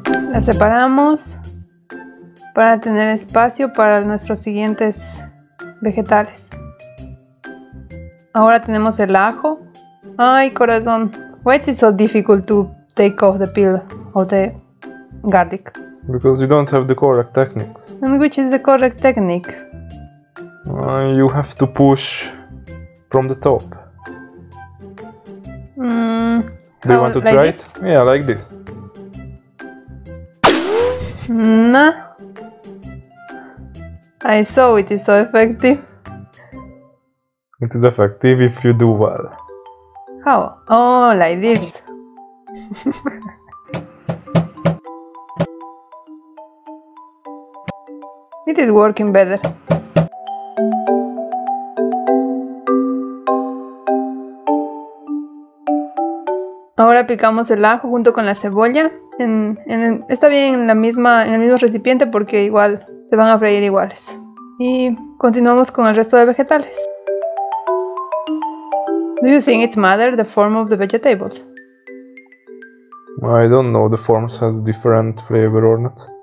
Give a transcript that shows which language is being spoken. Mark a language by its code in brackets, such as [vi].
[es] La separamos para tener espacio para nuestros siguientes vegetales. Ahora tenemos el ajo. Ay, corazón. [en] Why is it so difficult to take off the peel of the garlic? Because you don't have the correct techniques. And which is the correct technique? You have to push from the top. Do you want to try it? Yeah, like this. Nah. I saw it is so effective. It is effective if you do well. How? Oh, like this. It is working better. [es] Ahora picamos el ajo junto con la cebolla. Está bien en el mismo recipiente porque igual se van a freír iguales. Y continuamos con el resto de vegetales. [en] Do you think it matters the form of the vegetables? I don't know. The forms has different flavor or not.